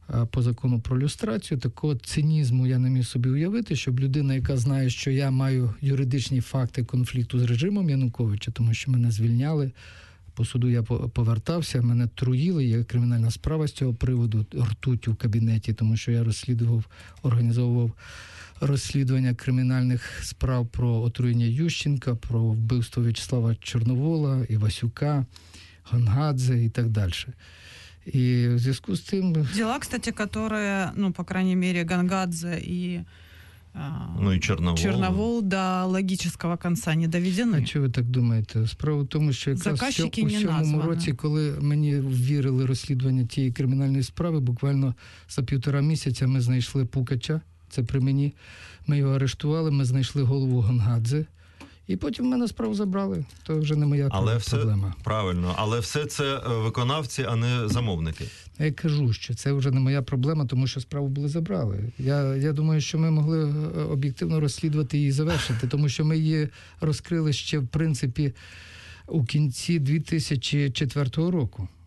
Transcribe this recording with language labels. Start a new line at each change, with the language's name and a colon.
Ukrainian: По закону про люстрацію, такого цинізму я не міг собі уявити, щоб людина, яка знає, що я маю юридичні факти конфлікту з режимом Януковича, тому що мене звільняли, по суду я повертався, мене труїли, є кримінальна справа з цього приводу, ртуть у кабінеті, тому що я організовував розслідування кримінальних справ про отруєння Ющенка, про вбивство В'ячеслава Чорновола, Івасюка, Гонгадзе і так далі.
Russian: И в связи с тем... Дела, кстати, которые, ну, по крайней мере, Гонгадзе и... Ну, и Черновол. Черновол до логического конца не доведены. А что вы так думаете? Справа в том, что я как раз в 7-м році, когда мне верили расследование
Ukrainian: тієї
Russian: криминальной справы, буквально за півтора месяца мы нашли Пукача, это при мне. Мы его арештували, мы нашли голову Гонгадзе.
Ukrainian: І потім в мене справу забрали. То вже не моя проблема. Правильно. Але все це виконавці, а не замовники. Я кажу, що це вже не моя проблема, тому що справу були забрали. Я думаю, що ми могли об'єктивно розслідувати і завершити. Тому що ми її розкрили ще, в принципі, у кінці 2004 року.